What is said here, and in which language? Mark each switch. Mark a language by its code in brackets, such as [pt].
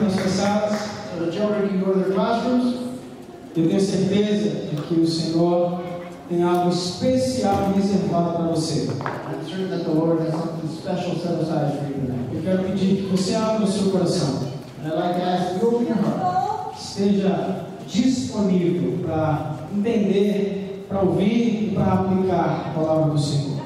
[en] So the children can go to their classrooms. [pt] Eu tenho certeza de que o Senhor tem algo especial reservado para você. [en] I'm certain that the Lord has something special set aside for you tonight. [pt] Eu quero pedir que você abra o seu coração. [en] And I'd like to ask you to open your heart. [pt] Esteja disponível para entender, para ouvir e para aplicar a palavra do Senhor.